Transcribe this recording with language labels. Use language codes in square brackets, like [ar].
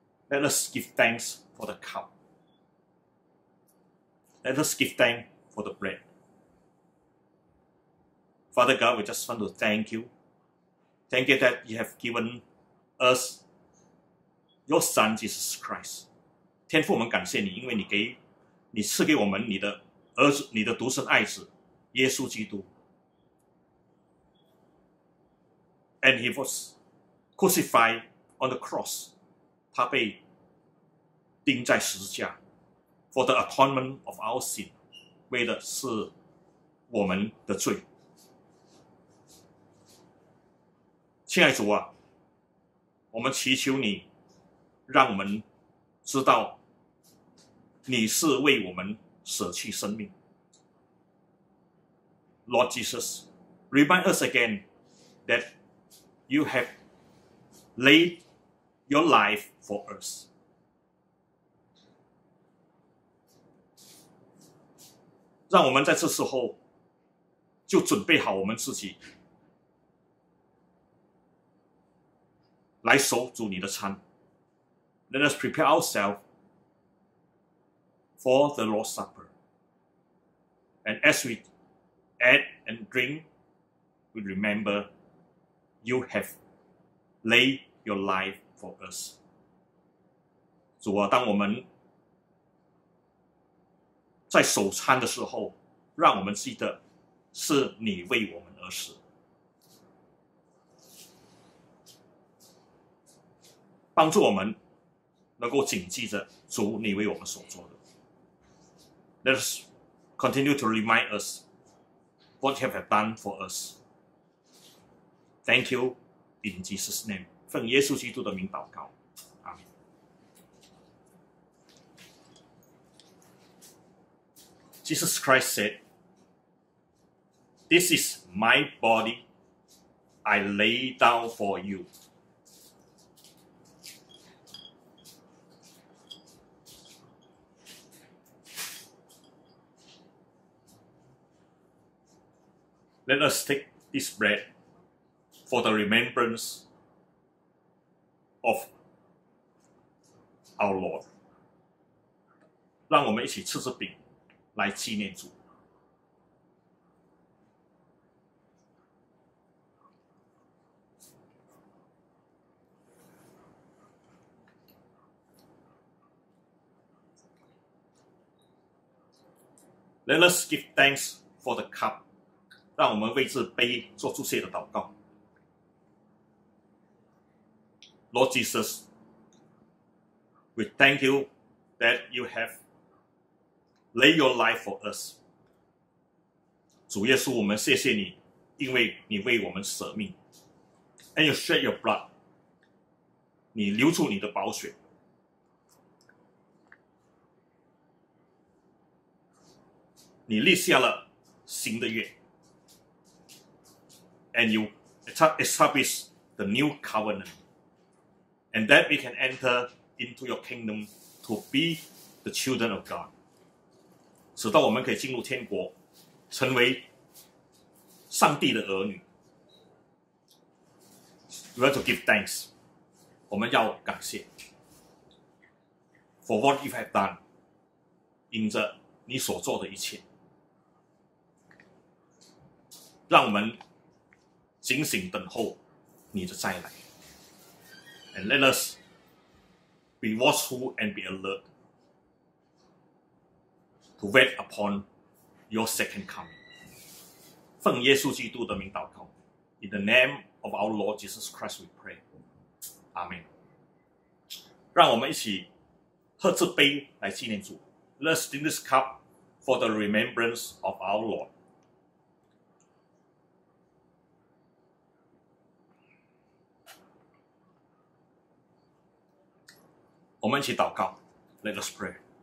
[en] Let us give thanks for the cup. Let us give thanks for the bread. Father God, we just want to thank you. Thank you that you have given us your Son, Jesus Christ. [zh] 天父，我们感谢你，因为你赐给我们你的儿子，你的独生爱子，耶稣基督。 [en] And he was crucified on the cross. [zh] 他被钉在十字架 [en] for the atonement of our sin. [zh] 为的是我们的罪。亲爱主啊，我们祈求你让我们知道你是为我们舍弃生命。 [en] Lord Jesus, remind us again that you have laid your life for us. Let us, at this time, prepare ourselves to eat your meal. Let us prepare ourselves for the Lord's Supper. And as we add and drink, we remember you have laid your life for us. [zh] 主啊，当我们在守餐的时候，让我们记得是你为我们而死。帮助我们能够谨记着主你为我们所做的。 [en] Let us continue to remind us what you have done for us. Thank you in Jesus' name. [zh] 奉耶稣基督的名祷告。 [en] Amen. Jesus Christ said, This is my body I lay down for you. Let us take this bread for the remembrance of our Lord. [zh] 让我们一起吃这饼来纪念主。 [en] Let us give thanks for the cup. [zh] 让我们为这杯做祝谢的祷告。 [en] Lord Jesus, we thank you that you have laid your life for us. [zh] 主耶稣，我们谢谢你，因为你为我们舍命。 [en] And you shed your blood. [zh] 你流出你的宝血。你立下了新的约。 [en] And you establish the new covenant. And that we can enter into your kingdom to be the children of God. [zh] 直到我们可以进入天国，成为上帝的儿女。 [en] We want to give thanks. [zh] 我们要感谢。 [en] For what you have done. [zh] 因着你所做的一切。让我们警醒等候你的再来。 [en] And let us be watchful and be alert to wait upon your second coming. [zh] 奉耶稣基督的名祷告。 [en] In the name of our Lord Jesus Christ we pray. Amen. [zh] 让我们一起喝这杯来纪念主。 [en] Let's drink this cup for the remembrance of our Lord. [zh] 我们一起祷告 ， [en] Let us pray。